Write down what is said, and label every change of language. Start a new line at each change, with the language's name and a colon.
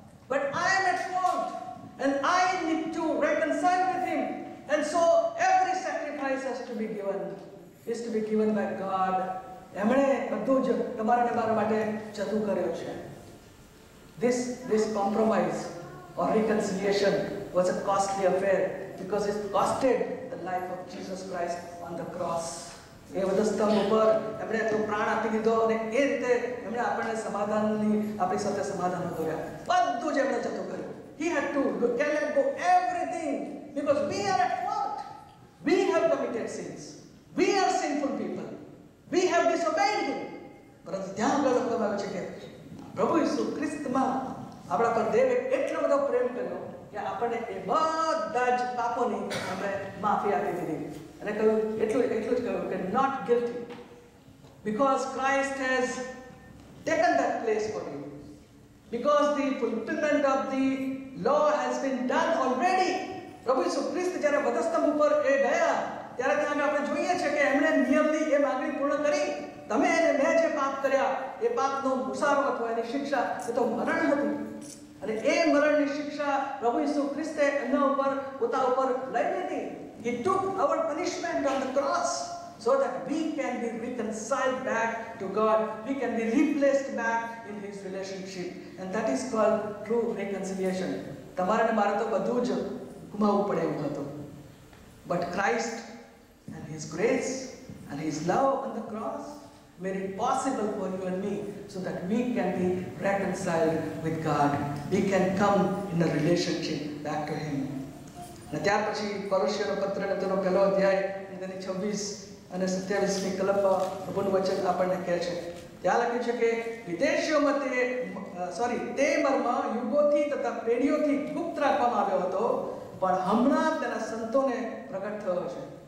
English: But I am at fault and I need to reconcile with him. And so every sacrifice is to be given by God.
Gujarati: એમણે બધું જ તમારા ને મારા માટે જતું કર્યું છે.
English: This compromise or reconciliation was a costly affair because it costed the life of Jesus Christ on the cross.
Gujarati: એ વધસ્તંભ ઉપર એમણે તો પ્રાણ આપી દીધો અને એ રીતે એમણે આપણને સમાધાનની આપણી સાથે સમાધાન કર્યા. બધું જ એમણે જતું કર્યું.
English: He had to can let go everything because we are at fault. We have committed sins, we are sinful people, we have disobeyed.
Gujarati: પરંતુ ધ્યાન આગળ લખવામાં આવ્યું છે કે પ્રભુ ઈસુ ખ્રિસ્તમાં આપણા પર દેવે એટલો બધો પ્રેમ કર્યો કે આપણને એ બધા જ પાપોની અમે માફી આપી દીધી. અને કહ્યું એટલું જ કહ્યું કે
English: Not guilty because Christ has taken that place for you, because the fulfilment of the law has been done already.
Gujarati: પ્રભુ ઈસુ ખ્રિસ્ત જ્યારે વધસ્તંભ ઉપર એ ગયા ત્યારે ત્યાં આપણે જોઈએ છીએ કે એમણે નિયમની એ માંગણી પૂર્ણ કરી. તમે એને મેં જે પાપ કર્યા એ પાપનો મુસારો હતો, એની શિક્ષા એ તો મરણ હતું. અને એ મરણની શિક્ષા પ્રભુ ઈસુ ખ્રિસ્તે એમના ઉપર પોતા ઉપર લઈ લીધી.
English: He took our punishment on the cross so that we can be reconciled back to God. We can be replaced back in His relationship. And that is called true reconciliation.
Gujarati: Tamara ne mara to badhu j kumavu pade evu hato.
English: But Christ and His grace and His love on the cross made it possible for you and me so that we can be reconciled with God. We can come in a relationship back to Him.
Gujarati: અને ત્યાર પછી પરોશિયનો પત્ર અને તેનો 1 અધ્યાય અને તેની 26 અને 27મી કલમમાં પ્રભુનું વચન આપણને કહે છે, ત્યાં લખ્યું છે કે વિદેશીઓ મતે સોરી તે મર્મમાં યુગોથી તથા પેઢીઓથી ગુપ્ત રાખવામાં આવ્યો હતો, પણ હમણાં તેના સંતોને પ્રગટ થયો છે.